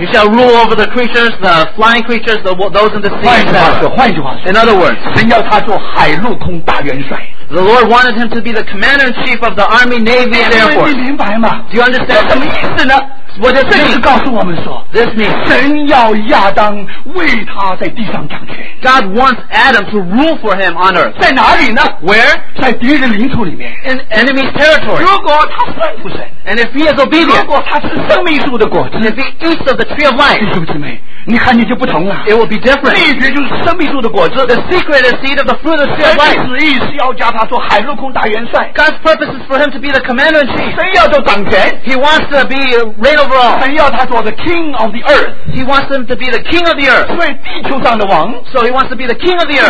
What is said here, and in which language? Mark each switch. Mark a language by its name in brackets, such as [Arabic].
[English] You shall rule over the creatures, the flying creatures, those in the sea. [Chinese] 换句话说, [English] in other words, [Chinese] 神要他做海陆空大元帅。 [English] The Lord wanted him to be the commander-in-chief of the army, navy, and air force. [Chinese] 你明白吗? [English] Do you understand? [Chinese] 什么意思呢? [English] What does this mean? [Chinese] 告诉我们说, [English] this means [Chinese] 神要亚当为他在地上掌权。 [English] God wants Adam to rule for him on earth. [Chinese] 在哪里呢? [English] Where? [Chinese] 在敌人领土里面。 [English] In enemy's territory. [Chinese] 如果他顺服神, [English] and if he is obedient, [Chinese] 如果他吃生命树的果子, [English] and if he eats of the tree of life, [Chinese] 弟兄姊妹, 你看你就不同了, [English] it will be different. [Chinese] 秘诀就是生命树的果子, [English] the secret is seed of the fruit of the tree of life. [Chinese] 神的旨意是要加他做海陆空大元帅。 [English] God's purpose is for him to be the commander-in-chief. [Chinese] 神要做掌权。 [English] He wants to be reign over all. [Chinese] 神要他做 [English] the king of the earth. He wants him to be the king of the earth. [Chinese] 为地球上的王, [English] so he wants to be the king of the earth.